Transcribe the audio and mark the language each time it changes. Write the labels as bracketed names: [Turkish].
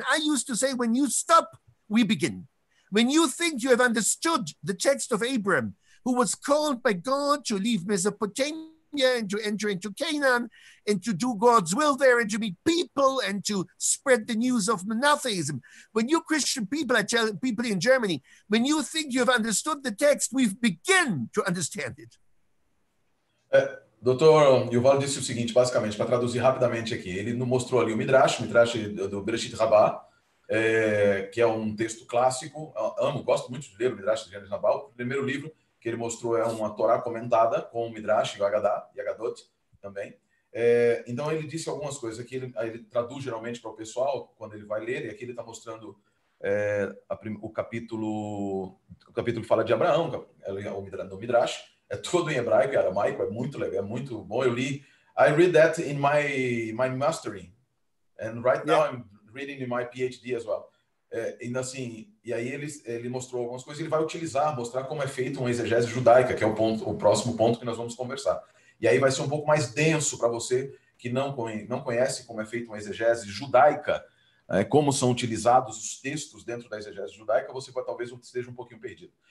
[English] And I used to say, when you stop, we begin. When you think you have understood the text of Abram, who was called by God to leave Mesopotamia and to enter into Canaan and to do God's will there and to meet people and to spread the news of monotheism. When you Christian people, I tell people in Germany, when you think you've understood the text, we've begun to understand it. [Portuguese] Doutor Yuval disse o seguinte, basicamente, para traduzir rapidamente aqui. Ele nos mostrou ali o Midrash, do Bereshit Rabá, que é um texto clássico. Eu amo, gosto muito de ler o Midrash de Gênesis Rabá. O primeiro livro que ele mostrou é uma Torá comentada com o Midrash, o Agadá e Agadot também. Então, ele disse algumas coisas aqui. Ele traduz geralmente para o pessoal quando ele vai ler. E aqui ele está mostrando o capítulo fala de Abraão, do Midrash. É todo em hebraico, aramaico, é muito legal, é muito bom. Eu li. [English] I read that in my mastering. And right now I'm reading in my PhD as well. [Portuguese] Ainda assim, e aí ele mostrou algumas coisas, ele vai utilizar, mostrar como é feito uma exegese judaica, que é o próximo ponto que nós vamos conversar. E aí vai ser um pouco mais denso para você que não conhece como é feita uma exegese judaica, como são utilizados os textos dentro da exegese judaica, você talvez esteja um pouquinho perdido.